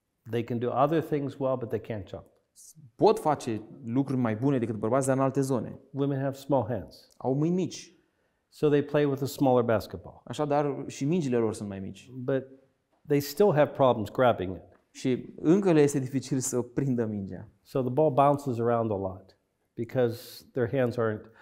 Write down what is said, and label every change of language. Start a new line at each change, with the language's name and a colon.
English: They can do other things well, but they can't jump.
Romanian: Pot face lucruri mai bune decât bărbații, dar în alte zone.
English: Women have small hands.
Romanian: Au mâini mici.
English: So they play with a smaller basketball.
Romanian: Așadar, și mingile lor sunt mai mici.
English: But they still have problems grabbing it.
Romanian: Și încă le este dificil să prindă mingea.
English: So the ball bounces around a lot because their hands aren't.